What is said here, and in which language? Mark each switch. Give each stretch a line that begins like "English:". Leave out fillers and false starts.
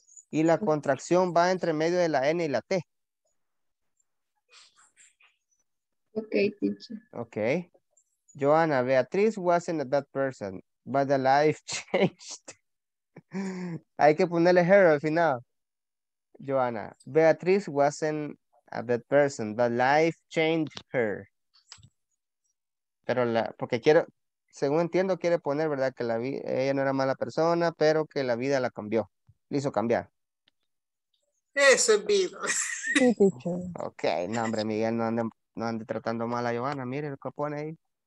Spanish: Y la contracción va entre medio de la N y la T.
English: Ok, teacher. Ok. Joanna, Beatriz wasn't a bad person, but the life changed.
Spanish: Hay que ponerle her al final.
English: Joanna, Beatriz wasn't a bad person, but life changed her.
Spanish: Pero la, porque quiero, según entiendo, quiere poner, ¿verdad? Que la vi, ella no era mala persona, pero que la vida la cambió, le hizo cambiar. Eso es vida. Ok, no, hombre, Miguel, no ande, no ande tratando mal a Johanna, mire lo que pone ahí.